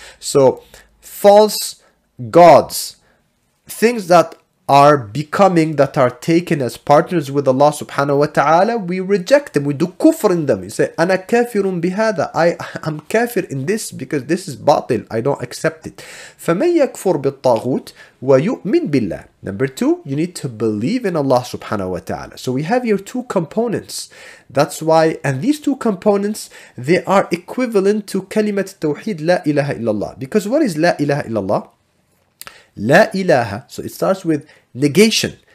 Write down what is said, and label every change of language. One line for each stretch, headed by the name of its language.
English: So false gods, things that are becoming, that are taken as partners with Allah subhanahu wa ta'ala, we reject them, we do kufr in them. You say,
Arabic: أنا كافر بهذا,
English: I'm kafir in this because this is batil, I don't accept it.
Arabic: فمن يكفر بالطاغوت ويؤمن بالله.
English: Number two, you need to believe in Allah subhanahu wa ta'ala. So we have your two components. That's why, and these two components, they are equivalent to kalimat tawheed la ilaha illallah. Because what is la ilaha illallah? La ilaha, so it starts with negation.